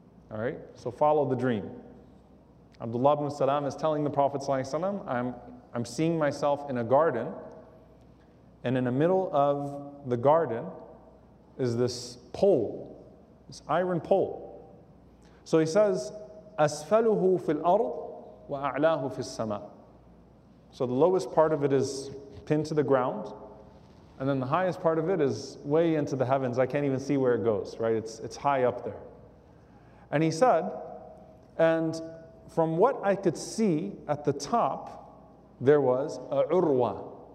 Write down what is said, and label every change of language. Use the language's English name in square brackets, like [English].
[English] All right, so follow the dream. Abdullah ibn Salam is telling the Prophet ﷺ, I'm seeing myself in a garden, and in the middle of the garden is this pole, this iron pole. So he says, [Arabic] أسفله في الأرض وأعلاه في السماء. [English] So the lowest part of it is pinned to the ground, and then the highest part of it is way into the heavens. I can't even see where it goes, right? It's high up there. And he said, and from what I could see at the top, there was a urwa.